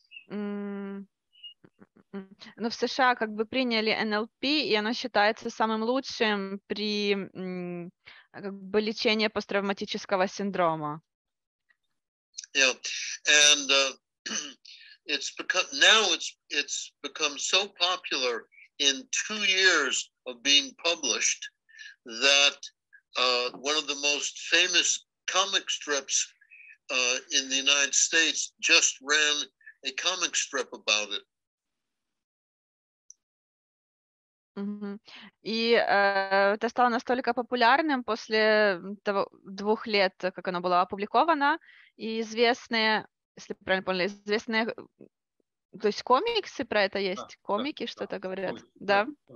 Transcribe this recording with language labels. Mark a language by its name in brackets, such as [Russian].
[Russian] Но в США как бы приняли НЛП, и оно считается самым лучшим при как бы лечении посттравматического синдрома. [English] Yeah, and it's become so popular in 2 years of being published that one of the most famous comic strips in the United States just ran a comic strip about it. [Russian] И это стало настолько популярным после того, 2 лет, как оно было опубликовано, и известные, если правильно поняли, известные, то есть комиксы про это есть, да, комики, да, что-то, да, говорят, ой, да?